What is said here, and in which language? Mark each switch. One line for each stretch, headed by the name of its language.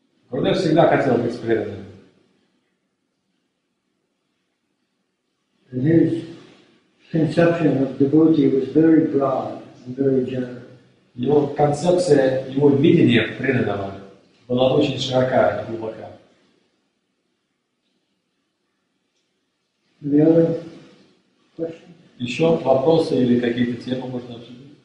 Russian: Гурудев всегда хотел быть преданным.
English: And his conception of devotee was very broad and very general.
Russian: Его концепция, его видение преданного была очень широка и глубока.
English: Any other questions?
Russian: Еще вопросы или какие-то темы можно обсудить?